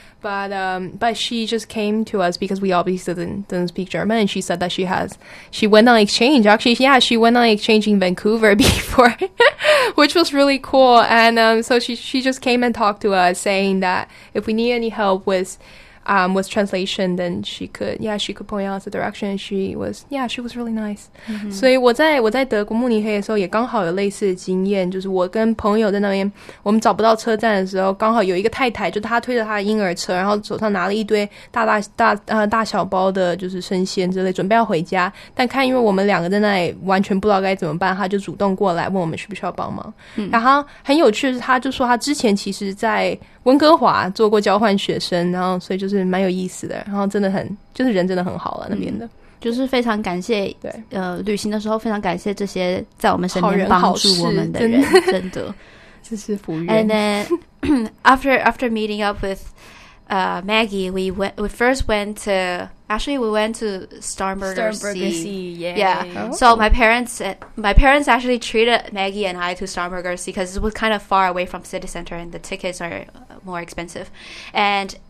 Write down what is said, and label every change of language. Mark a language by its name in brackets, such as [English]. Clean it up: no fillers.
[English] But she just came to us because we obviously didn't speak German, and she said that she went on exchange. Actually, yeah, she went on exchange in Vancouver before, which was really cool. And so she just came and talked to us, saying that if we need any help with translation, then she could point out the direction. She was really nice. Mm-hmm. [Chinese] 所以我在德国慕尼黑的时候也刚好有类似的经验，就是我跟朋友在那边，我们找不到车站的时候，刚好有一个太太，就她推着她的婴儿车，然后手上拿了一堆大小包的就是生鲜之类，准备要回家，但看因为我们两个在那里完全不知道该怎么办，她就主动过来问我们需不需要帮忙。然后很有趣的是，她就说她之前其实在温哥华做过交换学生，然后所以就是蛮有意思的，然后真的很就是人真的很好了，那边的就是非常感谢，对旅行的时候非常感谢这些在我们身边帮助我们的人，好人好，真的这是福音。 [English] And then after meeting up with Maggie, we went to Starnberger Sea. Yeah. Oh. So my parents actually treated Maggie and I to Starnberger Sea because it was kind of far away from city center and the tickets are more expensive. And